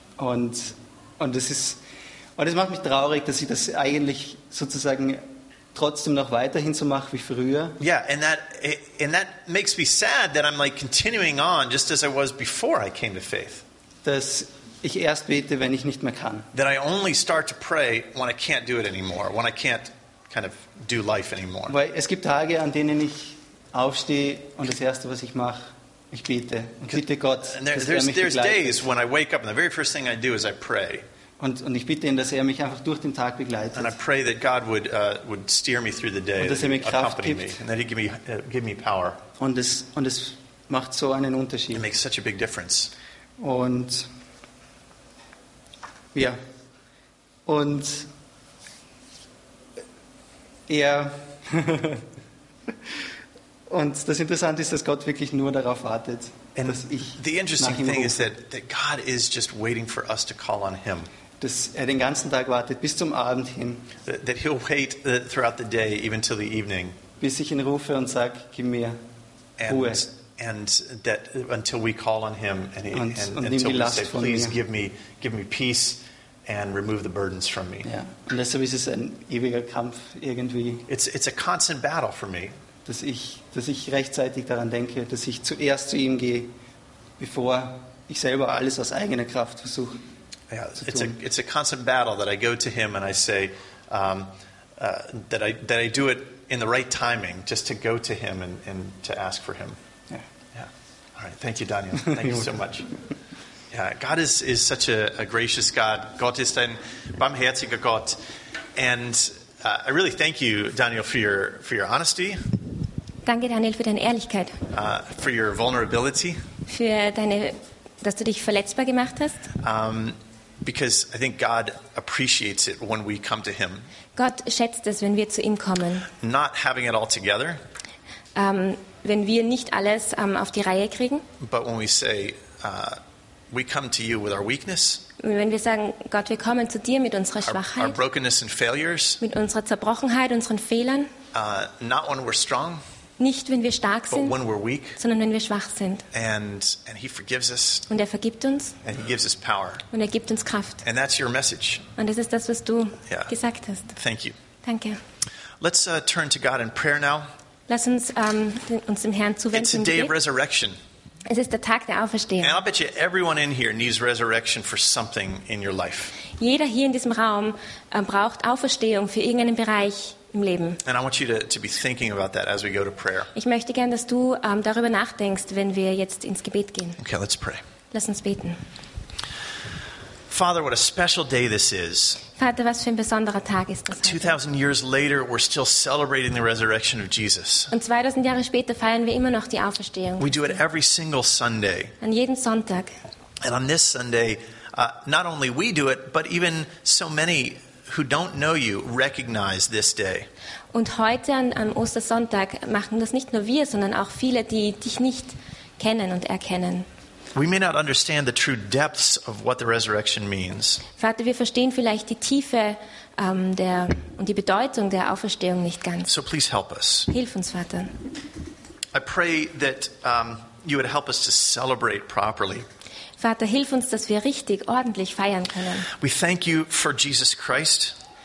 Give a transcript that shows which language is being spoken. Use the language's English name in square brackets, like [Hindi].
[German] Und das macht mich traurig, dass ich das eigentlich sozusagen trotzdem noch weiterhin so mache wie früher. [English] Yeah, and that makes me sad that I'm like continuing on just as I was before I came to faith. [German] Dass ich erst bete, wenn ich nicht mehr kann. [English] That I only start to pray when I can't do it anymore, when I can't kind of do life anymore. [German] Weil es gibt Tage, an denen ich aufstehe und das erste, was ich mache, ich bete und bitte Gott, dass er mich begleitet. [English] There's days when I wake up and the very first thing I do is I pray. [German] Und ich bitte ihn, dass er mich einfach durch den Tag begleitet. [English] And I pray that God would steer me through the day. [German] Und dass er mir Kraft gibt. [English] And that he'd give me power. [German] Und es macht so einen Unterschied. [English] It makes such a big difference. [German] Und ja, und er, und das Interessante ist, dass Gott wirklich nur darauf wartet, [English] And the interesting thing is that God is just waiting for us to call on him. [German] Dass er den ganzen Tag wartet, bis zum Abend hin. [English] That he'll wait throughout the day, even till the evening. [German] Bis ich ihn rufe und sag, gib mir Ruhe. [English] And that until we call on him, and until we say, please give me peace and remove the burdens from me. Yeah. [German] Und deshalb ist es ein ewiger Kampf irgendwie. [English] It's a constant battle for me. [German] Dass ich rechtzeitig daran denke, dass ich zuerst zu ihm gehe, bevor ich selber alles aus eigener Kraft versuche. [English] Yeah, it's a constant battle that I go to him and I say that I do it in the right timing, just to go to him and to ask for him. Yeah. All right. Thank you, Daniel. Thank you so much. Yeah, God is such a gracious God. [German] Gott ist ein barmherziger Gott. [English] And I really thank you, Daniel, for your honesty. [German] Danke, Daniel, für deine Ehrlichkeit. [English] For your vulnerability. [German] Für deine, dass du dich verletzbar gemacht hast. [English] Because I think God appreciates it when we come to him. [German] Gott schätzt es, wenn wir zu ihm kommen. [English] Not having it all together. [German] Wenn wir nicht alles auf die Reihe kriegen. [English] But when we say, we come to you with our weakness. [German] Wenn wir sagen, Gott, wir kommen zu dir mit unserer Schwachheit. [English] Our brokenness and failures. [German] Mit unserer Zerbrochenheit, unseren Fehlern. [English] Not when we're strong. [German] Nicht wenn wir stark sind, [English] when we're weak, [German] sondern wenn wir schwach sind. [English] And he forgives us. [German] Und er vergibt uns. [English] And he gives us power. [German] Und er gibt uns Kraft. [English] And that's your message. [German] Und das ist das, was du gesagt hast. [English] Thank you. [German] Danke. [English] Let's turn to God in prayer now. [German] Lass uns uns dem Herrn zuwenden. [English] It's a day of resurrection. [German] Es ist der Tag der Auferstehung. [English] And I'll bet you everyone in here needs resurrection for something in your life. [German] Jeder hier in diesem Raum braucht Auferstehung für irgendeinen Bereich. [English] And I want you to be thinking about that as we go to prayer. [German] Ich möchte gern, dass du darüber nachdenkst, wenn wir jetzt ins Gebet gehen. [English] Okay, let's pray. [German] Lass uns beten. [English] Father, what a special day this is. [German] Vater, was für ein besonderer Tag ist das. [English] 2000 years later, we're still celebrating the resurrection of Jesus. [German] Und 2000 Jahre später feiern wir immer noch die Auferstehung. [English] We do it every single Sunday. [German] An jeden Sonntag. [English] And on this Sunday, not only we do it, but even so many who don't know you recognize this day. [German] Und heute am Ostersonntag machen das nicht nur wir, sondern auch viele, die dich nicht kennen und erkennen. [English] We may not understand the true depths of what the resurrection means. [German] Vater, wir verstehen vielleicht die Tiefe der und die Bedeutung der Auferstehung nicht ganz. [English] So please help us. [German] Hilf uns, Vater. [English] I pray that you would help us to celebrate properly. [German] Vater, hilf uns, dass wir richtig ordentlich feiern können. [English] We thank you for Jesus Christ.